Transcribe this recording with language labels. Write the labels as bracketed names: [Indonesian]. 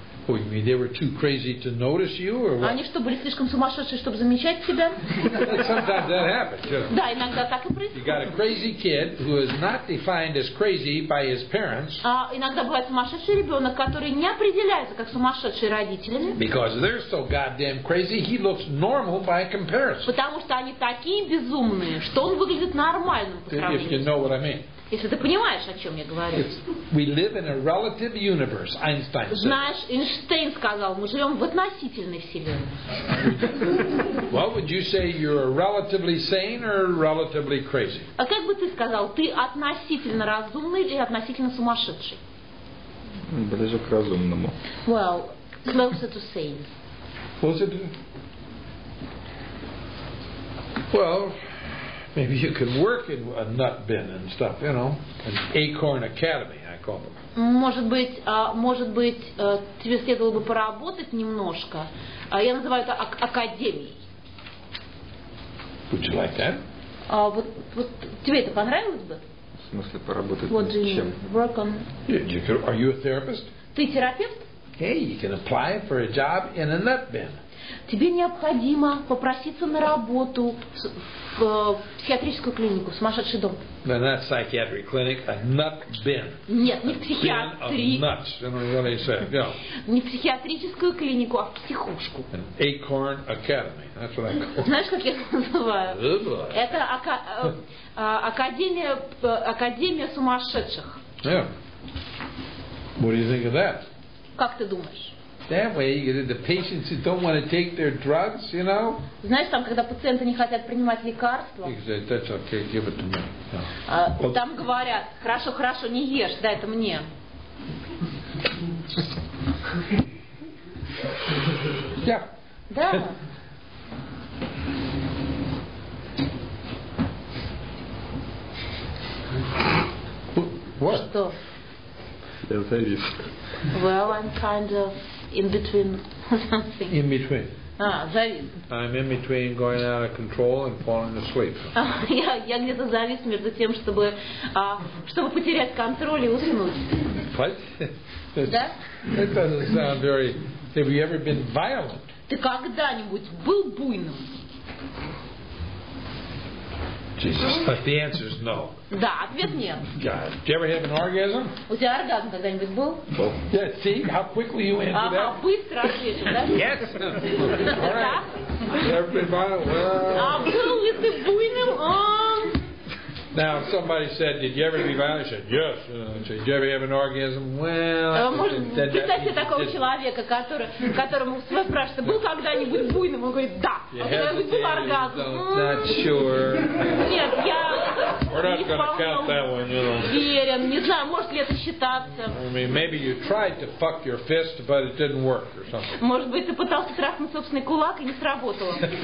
[English] Oh, you mean they were too crazy to notice you, or what? [Russian] Они что, были слишком сумасшедшие, чтобы замечать тебя? [English] Sometimes that happens. [Russian] Да, иногда так и происходит. [English] You got a crazy kid who is not defined as crazy by his parents. [Russian] А иногда бывает сумасшедший ребенок, который не определяется как сумасшедший родителями. [English] Because they're so goddamn crazy, he looks normal by comparison. [Russian] Потому что они такие безумные, что он выглядит нормальным по сравнению. [English] If you know what I mean. [Russian] Если ты понимаешь, о чем я говорю. [English] We live in a relative universe, Einstein said. [Russian] Знаешь, Эйнштейн сказал, мы живем в относительной вселенной. [English] What would you say, you're relatively sane or relatively crazy? [Russian] А как бы ты сказал, ты относительно разумный или относительно сумасшедший? Ближе к разумному. [English] Well, closer to sane. Closer to... Well... Maybe you could work in a nut bin and stuff, you know, an Acorn Academy, I call them. [Russian] Может быть, тебе следовало бы поработать немножко. Я называю это академией. [English] Would you like that? [Russian] Вот тебе это понравилось бы? В смысле поработать над чем? [English] Work on. Yeah, you could, are you a therapist? [Russian] Ты терапевт? [English] Hey, you can apply for a job in a nut bin. [Russian] Тебе необходимо попроситься на работу в психиатрическую клинику, в сумасшедший дом. [English] No, not psychiatric clinic, a nut bin. [Russian] Нет, не в психиатрии. [English] Bin of nuts, you know what I said. Yeah. [Russian] Не в психиатрическую клинику, а в психушку. [English] An Acorn Academy, that's what I call it. [Russian] Знаешь, как я это называю? Это академия сумасшедших. [English] Yeah. What do you think of that? [Russian] Как ты думаешь? [English] That way, you know, the patients who don't want to take their drugs, you know. [Russian] Знаешь, там, когда пациенты не хотят принимать лекарства. [English] Exactly. That's okay. Give it to me. [Russian] Там говорят, хорошо, хорошо, не ешь, дай это мне. [English] Yeah. [Russian] Да. [English] What? [Russian] Что? [English] Yeah, thank you. Well, I'm kind of. In between something. In between. [Russian] Ah, завис. [English] I'm in between going out of control and falling asleep. [Russian] Я где-то завис между тем, чтобы потерять контроль и уснуть. [English] What? [Russian] Да? [English] It doesn't sound very. Have you ever been violent? [Russian] Ты когда-нибудь был буйным? [English] Jesus, but the answer is no. [Russian] Да, ответ нет. [English] God, do you ever have an orgasm? [Russian] У тебя оргазм когда-нибудь был? [English] Well, yeah, see how quickly you answer that. [Russian] Ага, быстро ответил, да? [English] Yes. All right. Everybody, well. [Russian] А был ли ты буйным? [English] Now, if somebody said, did you ever be violent? I said, yes. Did you ever have an orgasm? Well, [Russian] представьте такого человека, которому вы спрашиваете, был когда-нибудь буйным? Он говорит, да. Был оргазм. [English] Not sure. [Russian] Нет, я не вполне уверен. Не знаю, может ли это считаться. [English] Maybe you tried to fuck your fist, but it didn't work or something. [Russian] Может быть, ты пытался трахнуть собственный кулак и не сработало.